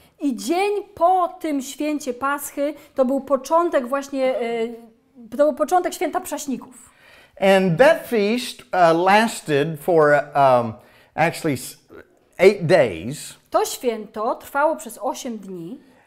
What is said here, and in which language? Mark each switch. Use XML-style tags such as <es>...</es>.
<pl>I dzień po tym święcie Paschy to był początek właśnie to był początek święta Przaśników.</pl> <en>And that feast lasted for actually 8 days.</en> <pl>To święto trwało przez 8 dni.</pl>